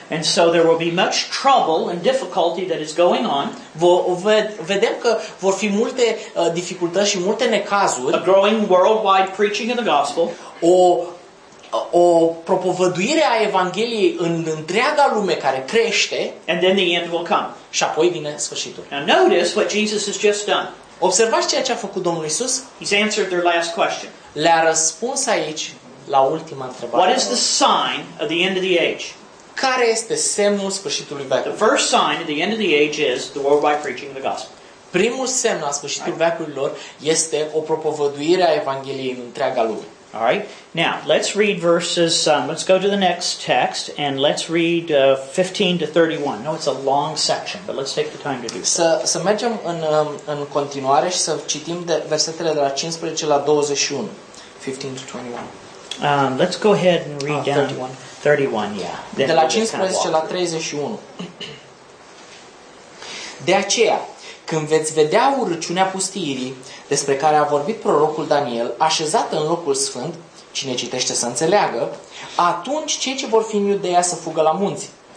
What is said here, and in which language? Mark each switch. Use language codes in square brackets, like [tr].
[en] And so there will be much trouble and difficulty that is going on. [ro] Vedem că vor fi multe dificultăți și multe necazuri. [en] A growing worldwide preaching of the gospel. [ro] O propovăduire a Evangheliei în întreaga lume care crește. [en] And then the end will come. [ro] Și apoi vine sfârșitul. [en] Now notice what Jesus has just done. [ro] Observați ceea ce a făcut Domnul Iisus. [en] He's answered their last question. [ro] Le-a răspuns aici la ultima întrebare. [en] What is the sign of the end of the age? [ro] Care este semnul sfârșitului veacului? [en] The first sign at the end of the age is the worldwide preaching of the gospel. [ro] Primul semn al sfârșitului veacului lor este o propovăduire a Evangheliei în întreaga lume. [en] All right. Now, let's read verses, let's go to the next text, and let's read 15 to 31. No, it's a long section, but let's take the time to do it. [ro] Să mergem în continuare și să citim versetele de la 15 la 21. [en] 15 to 21. Let's go ahead and read down 31. 31, yeah. [ro] Then de la 15 la 31. De aceea, când veți vedea urâciunea pustiirii, despre care a vorbit prorocul Daniel, așezat în locul sfânt, cine citește să înțeleagă, atunci cei ce vor fi în Iudeea să fugă la munți.